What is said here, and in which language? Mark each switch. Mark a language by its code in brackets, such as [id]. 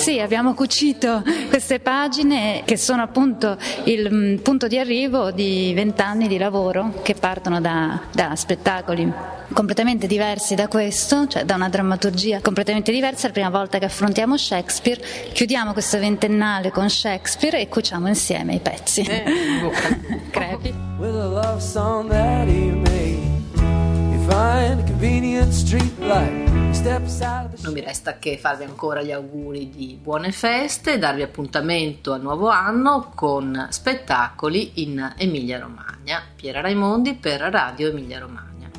[it] Sì, abbiamo cucito queste pagine, che sono appunto il punto di arrivo di 20 anni di lavoro, che partono da spettacoli completamente diversi da questo, cioè da una drammaturgia completamente diversa. La prima volta che affrontiamo Shakespeare, chiudiamo questo ventennale con Shakespeare e cuciamo insieme i pezzi. Crepi. [en] With a love song that he made, you find a convenient street light. [it] Non mi resta che farvi ancora gli auguri di buone feste e darvi appuntamento al nuovo anno con spettacoli in Emilia Romagna. Piera Raimondi per Radio Emilia Romagna.